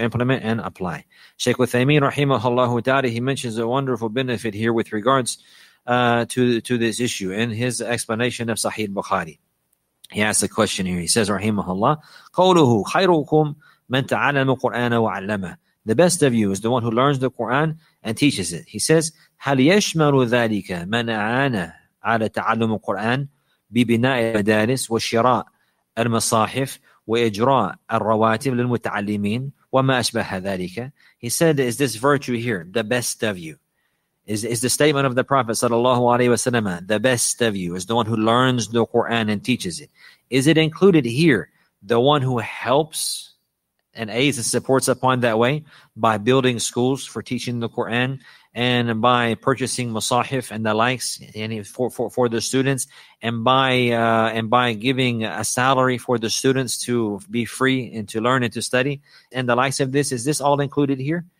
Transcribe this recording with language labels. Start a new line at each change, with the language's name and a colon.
English: Shaykh Uthaymeen rahimahullahu ta'ala, he mentions a wonderful benefit here with regards to this issue in his explanation of Sahih Bukhari. He asks a question here. He says, rahimahullah,
Arabic: قَوْلُهُ خَيْرُكُمْ مَنْ تَعَلَمُ الْقُرْآنَ وَعَلَّمَهُ.
English: The best of you is the one who learns the Qur'an and teaches it. He says,
Arabic: هَلْ يَشْمَرُ ذَلِكَ مَنْ أَعَانَ عَلَى تَعَلُمُ الْقُرْآنَ بِبِنَاءِ الْمَدَارِسِ وَشِرَاءِ الْمَصَاحِفِ وإجراء الرواتب للمتعلمين وما أشبه ذلك.
English: He said, is this virtue here the best of you? Is the statement of the Prophet sallallahu alaihi wasallam, the best of you is the one who learns the Quran and teaches it, is it included here the one who helps and aids and supports upon that way by building schools for teaching the Quran and by purchasing masahif and the likes for the students and by giving a salary for the students to be free and to learn and to study and the likes of this, is this all included here?